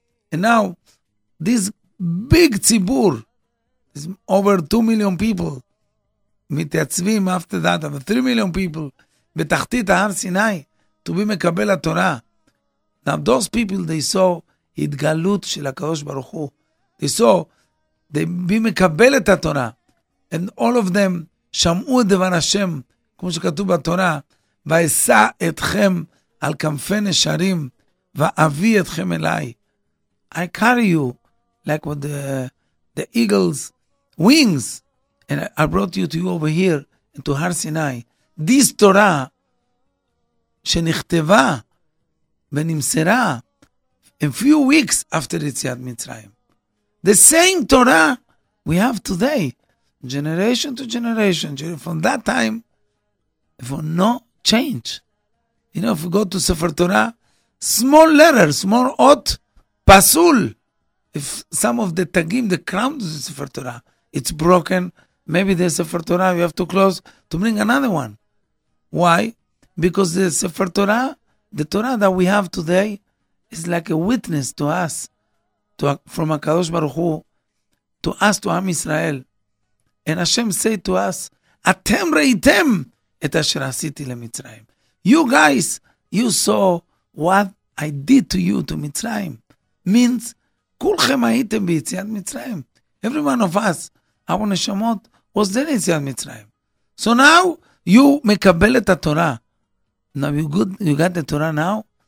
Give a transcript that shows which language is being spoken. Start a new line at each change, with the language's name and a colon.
English: And now, this big tzibur, this over 2 million people, mitatzvim after that, over 3 million people,
Hebrew: betachtit ha'ar Sinai,
English: to be mekabel ha'Torah. Now, those people, they saw
Hebrew: itgalut shel HaKadosh Baruch Hu.
English: They saw, they be
Hebrew: mekabel et ha'Torah.
English: And all of them,
Hebrew: shamu et devar Hashem, כמו שכתוב בתורה, ואשא אתכם על כנפי נשרים, ואביא אתכם אליי.
English: I carry you, like with the eagle's wings, and I brought you to you over here, and to Har Sinai. This Torah,
Hebrew: שנכתבה, ונמסרה,
English: a few weeks after יציאת מצרים. The same Torah we have today, generation to generation, from that time, for no change. You know, if you go to Sefer Torah, small letters, small ot, pasul, if some of the tagim, the crown of the Sefer Torah, it's broken, maybe the Sefer Torah, you have to close to bring another one. Why? Because the Sefer Torah, the Torah that we have today, is like a witness to us, from HaKadosh Baruch Hu, to us, to Am Israel. And Hashem said to us,
Hebrew: Atem reitem, את אשר עשיתי למצרים.
English: You guys, you saw what I did to you to מצרים. Means,
Hebrew: כולכם הייתם ביציאת מצרים.
English: Every one of us, our נשמות, was there ביציאת מצרים. So now, you
Hebrew: מקבל את התורה.
English: Now you got the Torah now,